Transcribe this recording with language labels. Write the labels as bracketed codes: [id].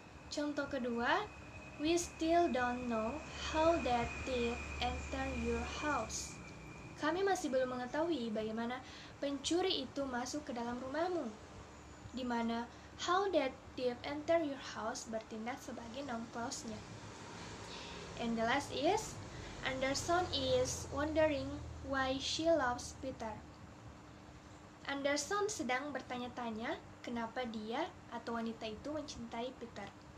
[id] Contoh kedua, [en] we still don't know how that thief entered your house. [id] Kami masih belum mengetahui bagaimana pencuri itu masuk ke dalam rumahmu. Di mana [en] how that thief entered your house [id] bertindak sebagai noun clause-nya. [en] And the last is, Anderson is wondering why she loves Peter. [id] Anderson sedang bertanya-tanya kenapa dia atau wanita itu mencintai Peter.